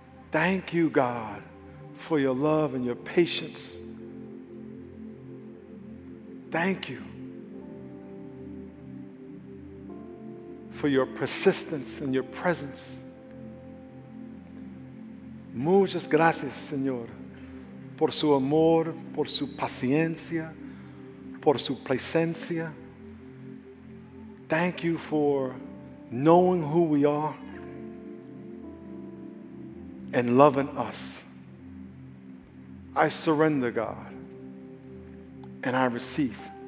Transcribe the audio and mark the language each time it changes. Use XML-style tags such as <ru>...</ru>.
<en>thank you, God, for your love and your patience. Thank you for your persistence and your presence.</en> <es>Muchas gracias, Señor, por su amor, por su paciencia, por su presencia.</es> <en>Thank you for knowing who we are and loving us. I surrender, God, and I receive.</en>